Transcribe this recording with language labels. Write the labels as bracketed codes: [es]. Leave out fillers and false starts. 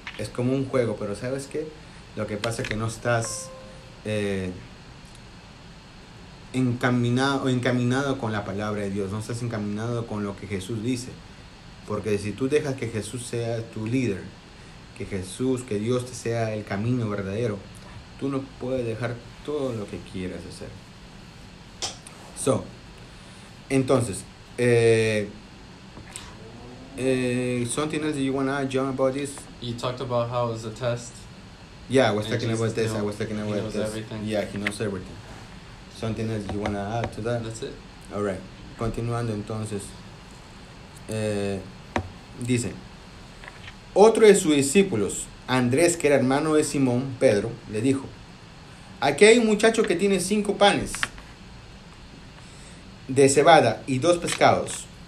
[es] Es como un juego, pero ¿sabes qué? Lo que pasa es que no estás encaminado con la palabra de Dios, no estás encaminado con lo que Jesús dice. Porque si tú dejas que Jesús sea tu líder, que Jesús, que Dios te sea el camino verdadero, tú no puedes dejar todo lo que quieras hacer. [en] So, entonces, something else you want to add, John, about this? You talked about how it was a test. Yeah, I was talking about this. I was talking about this. Yeah, he knows everything. Something else you want to add to that? That's it. All right. [es] Continuando, entonces. Dice, otro de sus discípulos, Andrés, que era hermano de Simón, Pedro, le dijo, aquí hay un muchacho que tiene 5 panes de cebada y 2 pescados.